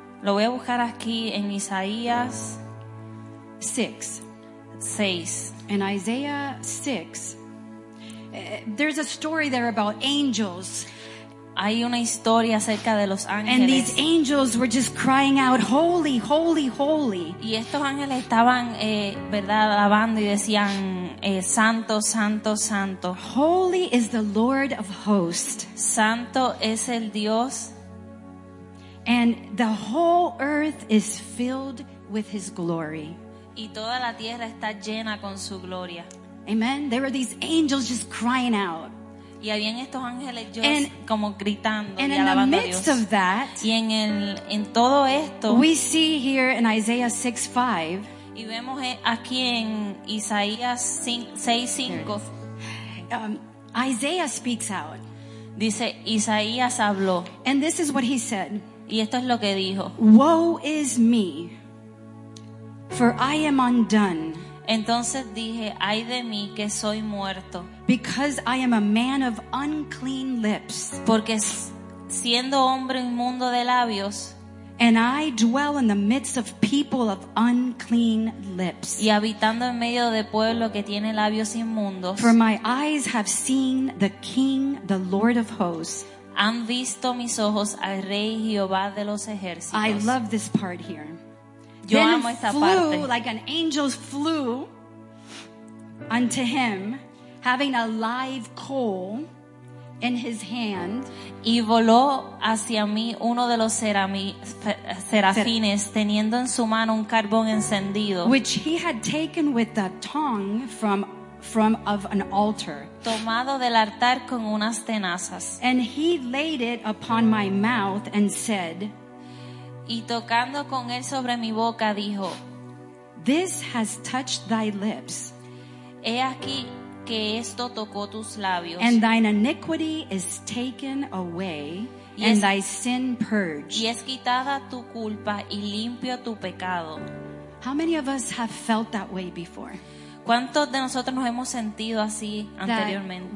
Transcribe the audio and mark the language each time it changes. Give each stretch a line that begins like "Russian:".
Spanish: Lo voy a buscar aquí en Isaías 6. 6.
English: In Isaiah 6. There's a story there about angels.
Spanish: Hay una historia acerca de los ángeles.
English: And these angels were just crying out, "Holy, holy, holy."
Spanish: Y estos ángeles estaban, verdad, alabando y decían, "Santo, santo, santo."
English: Holy is the Lord of hosts.
Spanish: Santo es el Dios.
English: And the whole earth is filled with his glory.
Spanish: Y toda la tierra está llena con su gloria.
English: Amen. There were these angels just crying out.
Spanish: Y habían estos ángeles yo como gritando
English: and
Spanish: y alabando
English: in the midst
Spanish: a Dios.
English: Of that,
Spanish: y en el en todo esto
English: we see here in Isaiah 6:5
Spanish: y vemos aquí en Isaías 6:5
English: Isaiah speaks out.
Spanish: Dice Isaías habló.
English: And this is what he said.
Spanish: Y esto es lo que dijo.
English: Woe is me, for I am undone.
Spanish: Entonces dije, ay de mí que soy muerto.
English: Because I am a man of unclean lips.
Spanish: Porque siendo hombre inmundo de labios.
English: And I dwell in the midst of people of unclean lips.
Spanish: Y habitando en medio de pueblo que tiene labios inmundos.
English: For my eyes have seen the King, the Lord of hosts.
Spanish: Han visto mis ojos al Rey Jehová de los ejércitos.
English: I love this part here.
Spanish: Yo
English: then
Spanish: amo esta
English: flew
Spanish: parte.
English: Like an angel flew unto him, having a live coal in his hand.
Spanish: Y voló hacia mí uno de los serafines, teniendo en su mano un carbón encendido,
English: which he had taken with the tongue from of an altar.
Spanish: Tomado del altar con unas tenazas.
English: And he laid it upon my mouth and said.
Spanish: Y tocando con él sobre mi boca dijo,
English: This has touched thy lips.
Spanish: He aquí que esto tocó tus labios.
English: And thine iniquity is taken away, and thy sin purged.
Spanish: Y es quitada tu culpa y limpio tu pecado.
English: How many of us have felt that way before?
Spanish: ¿Cuántos de nosotros nos hemos sentido así anteriormente?